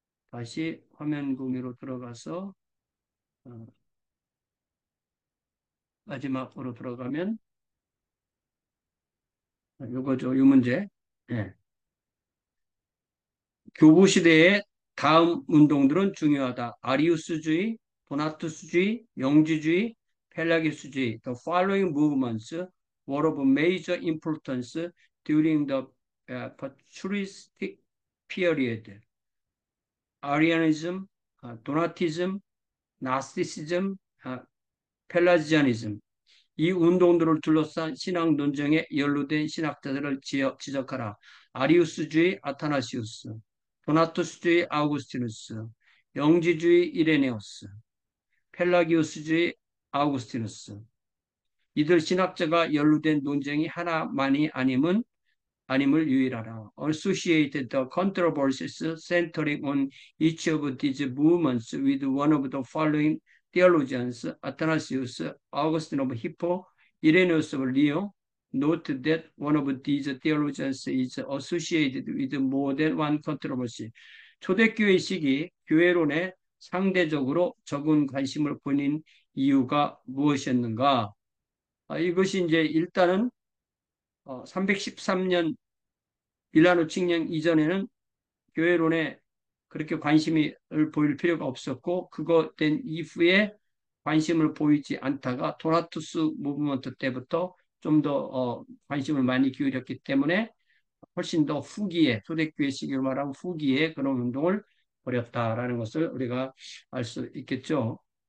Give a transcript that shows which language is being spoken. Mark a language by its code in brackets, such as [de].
[ko] 다시 화면 공유로 들어가서, 마지막으로 들어가면, 요거죠, 요 문제. 예. 교부시대에 다음 운동들은 중요하다. 아리우스주의, 도나투스주의, 영지주의, 펠라기스주의. [en] The following movements were of major importance during the patristic period. Arianism, Donatism, Gnosticism, Pelagianism. [ko] 이 운동들을 둘러싼 신앙 논쟁에 연루된 신학자들을 지적하라. 아리우스주의 아타나시우스, 도나투스주의 아우구스티누스, 영지주의 이레네우스, 펠라기우스주의 아우구스티누스. 이들 신학자가 연루된 논쟁이 하나만이 아님을 유의하라. [en] Associated the controversies centering on each of these movements with one of the following theologians, Athanasius, Augustine of Hippo, Irenaeus of Lyon. Note that one of these theologians is associated with more than one controversy. [ko] 초대교회 시기 교회론에 상대적으로 적은 관심을 보인 이유가 무엇이었는가? 이것이 이제 일단은 313년 밀라노 칙령 이전에는 교회론에 그렇게 관심을 보일 필요가 없었고, 그것 된 이후에 관심을 보이지 않다가 도나투스 무브먼트 때부터 좀더 관심을 많이 기울였기 때문에 훨씬 더 후기에, 초대교회 시기로 말하면 후기에 그런 운동을 벌였다라는 것을 우리가 알수 있겠죠.